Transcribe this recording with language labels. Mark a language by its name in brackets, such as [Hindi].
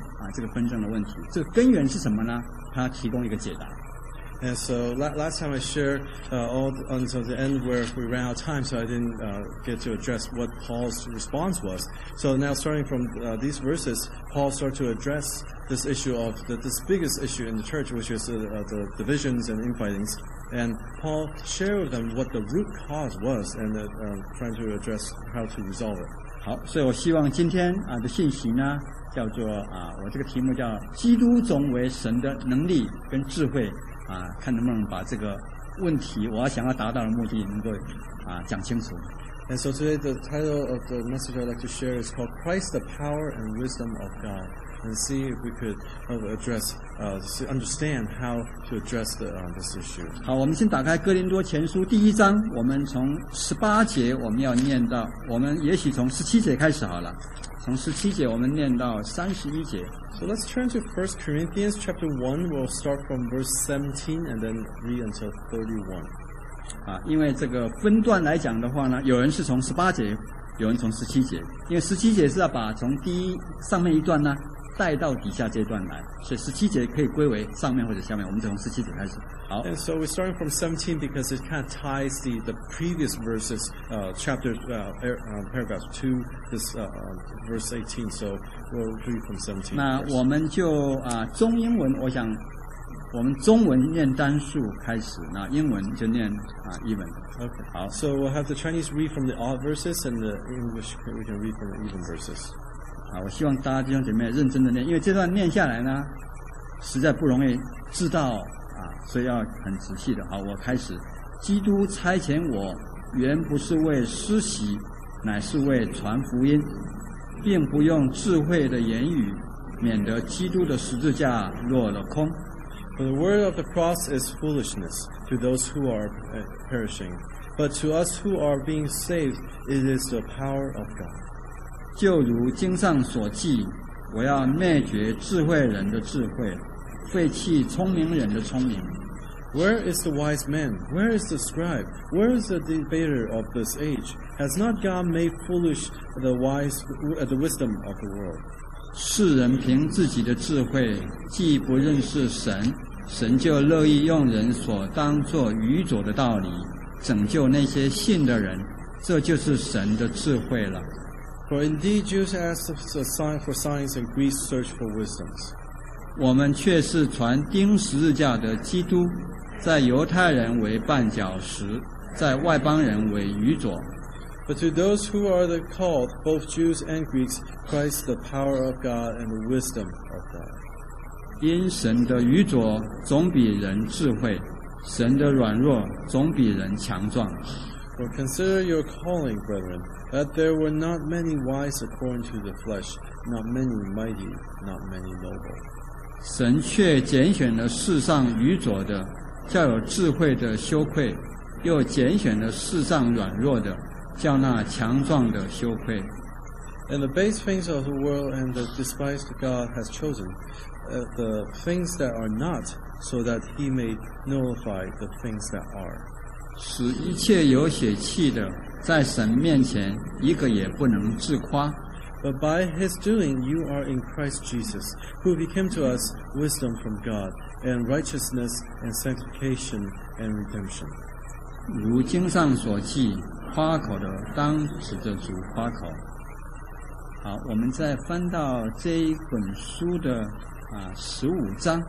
[Chinese] 好，那我们就我上次讲到说这个问题，但我说对不起，时间到了，没有办法讲到这个怎么样子针对这个问题，保罗的答案是什么？那这第二个部分，今天我要讲的部分就是保罗就针对教会的这个问题最严重的这个纷争的问题，这根源是什么呢？他提供一个解答。 [English] And so last time I shared until the end where we ran out of time, so I didn't get to address what Paul's response was. So now starting from these verses, Paul started to address this issue of this biggest issue in the church, which is the divisions and infightings. And Paul shared with them what the root cause was and trying to address how to resolve it. [Chinese] 好，所以我希望今天的信息呢， 叫做我这个题目叫基督总为神的能力跟智慧，看能不能把这个问题我要想要达到的目的能够讲清楚。And [English] so today the title of the message I'd like to share is called Christ the Power and Wisdom of God. and see if we could address, understand how to address the, this issue. [Chinese] 好，我们先打开哥林多前书第一章，我们从十八节我们要念到，我们也许从十七节开始好了，从十七节我们念到三十一节。 [English] So let's turn to 1 Corinthians chapter 1. We'll start from verse 17 and then read until 31. [Chinese] 啊，因为这个分段来讲的话呢，有人是从十八节，有人从十七节，因为十七节是要把从第一上面一段呢带到底下这段来，所以十七节可以归为上面或者下面，我们从十七节开始。好。 [English] And so we're starting from 17 because it kind of ties the previous verses, chapter, paragraph 2, this, verse 18. So we'll read from 17. [Chinese] 那我们就啊、中英文，我想我们中文念单数开始，那英文就念啊、even。 [English] Okay. 好。 So we'll have the Chinese read from the odd verses and the English we can read from the even verses. [Chinese] 好，我希望大家弟兄姐妹认真的念，因为这段念下来呢，实在不容易知道。所以要很仔细的。好，我开始。基督差遣我，原不是为施洗，乃是为传福音，并不用智慧的言语，免得基督的十字架落了空。 [English] For the word of the cross is foolishness to those who are perishing, but to us who are being saved, it is the power of God. [Chinese] 就如经上所记，我要灭绝智慧人的智慧，废弃聪明人的聪明。 [English] Where is the wise man? Where is the scribe? Where is the debater of this age? Has not God made foolish the wisdom of the world? [Chinese] 世人凭自己的智慧，既不认识神，神就乐意用人所当作愚拙的道理，拯救那些信的人，这就是神的智慧了。 [English] For indeed Jews ask for signs and Greeks search for wisdom. [Chinese] 我们却是传钉十字架的基督，在犹太人为绊脚石，在外邦人为愚拙。 [English] But to those who are the called, both Jews and Greeks, Christ the power of God and the wisdom of God. [Chinese] 因神的愚拙总比人智慧，神的软弱总比人强壮。 [English] For consider your calling, brethren, that there were not many wise according to the flesh, not many mighty, not many noble. [Chinese] 神却拣选了世上愚拙的，叫有智慧的羞愧，又拣选了世上软弱的，叫那强壮的羞愧。 [English] And the base things of the world and the despised God has chosen, the things that are not, so that he may nullify the things that are. [Chinese] 使一切有血气的，在神面前一个也不能自夸。 [English] But by his doing, you are in Christ Jesus, who became to us wisdom from God, and righteousness, and sanctification, and redemption. [Chinese] 如经上所记，夸口的当指着主夸口。好，我们再翻到这一本书的啊十五章。